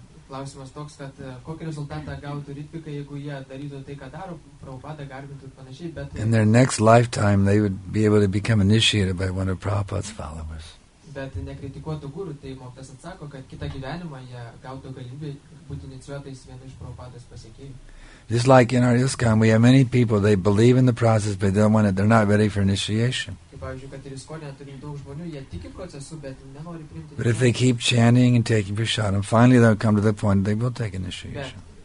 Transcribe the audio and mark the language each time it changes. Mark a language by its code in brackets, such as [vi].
[lt] Klausimas toks, kad kokį rezultatą gautų Ritvika, jeigu jie darytų tai, ką daro, Prabhupada garbintų ir panašiai, bet... [en] In their next lifetime, they would be able to become initiated by one of Prabhupada's followers. [lt] Bet nekritikuotų gurų, tai mokytas atsako, kad kitą gyvenimą jie gautų galimybę būti inicijuotais vienu iš Prabhupados pasiekėjų. [en] Just like in our ISKCON, we have many people, they believe in the process, but they don't want it, they're not ready for initiation. But if they keep chanting and taking prasadam, finally they'll come to the point they will take initiation.